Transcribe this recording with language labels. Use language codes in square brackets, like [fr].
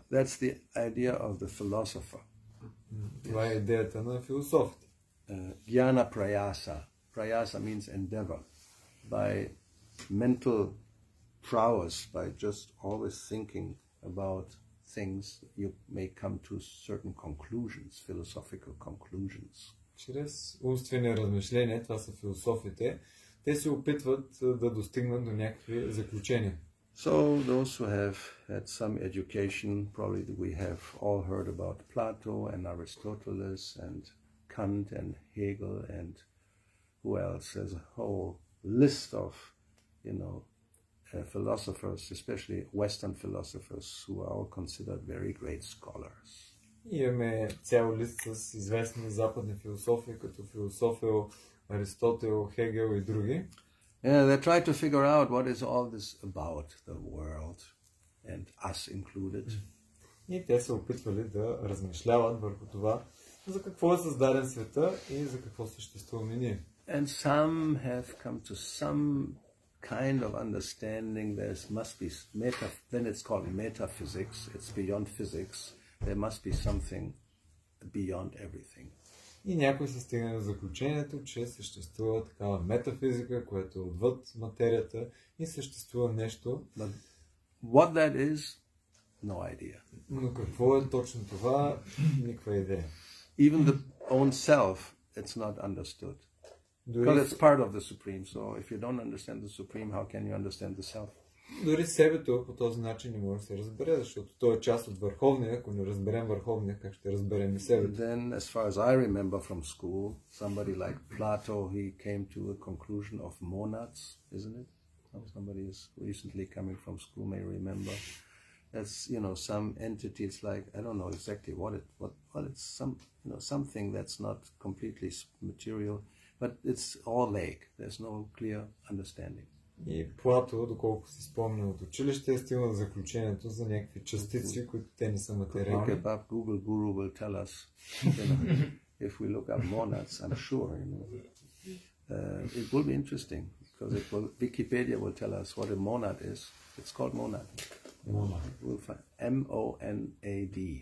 [en] That's the idea of the philosopher. [bg] Това е идеята на философите. [en] Jnana prayasa. Prayasa means endeavor. By mental prowess, by just always thinking about things, you may come to certain conclusions, philosophical conclusions. [bg] Чрез умствени размишления, това са философите, те се опитват да достигнат до някакви заключения. [en] So those who have had some education, probably we have all heard about Plato and Aristoteles and Kant and Hegel and who else, there's a whole list of, you know, philosophers, especially Western philosophers, who are all considered very great scholars. [bg] Имаме цял лист с известни западни философи, като философия Аристотел, Хегел и други. [en] Yeah, they try to figure out what is all this about the world and us included. [bg] И те се опитвали да размишляват върху това, за какво е създаден света и за какво съществуваме ние. [en] And some have come to some kind of understanding, there must be then it's called metaphysics, it's beyond physics, there must be something beyond everything. [bg] И някой се стигна до заключението, че съществува такава метафизика, която е отвъд материята и съществува нещо. [en] But what that is, no idea. [bg] Но какво е точно това, никаква идея. [en] Even the own self, it's not understood. Because it's part of the Supreme, so if you don't understand the Supreme, how can you understand the self? [bg] Дори себето по този начин не може да се разбере, защото то е част от Върховния, ако не разберем Върховния, как ще разберем и себето? [en] Then, as far as I remember from school, somebody like Plato, he came to a conclusion of monads, isn't it? Somebody is recently coming from school, may remember. That's, you know, some entity, it's like, I don't know exactly what it's some, you know, something that's not completely material. But it's all vague. There's no clear understanding. [bg] И Плато, доколко си спомня от училище, стигна до заключението за някакви частици, които те не са материални. [en] Look up, Google Guru will tell us. If we look up monads, I'm sure, you know. It will be interesting, because Wikipedia will tell us what a monad is. It's called monad. Monad. We'll find M-O-N-A-D.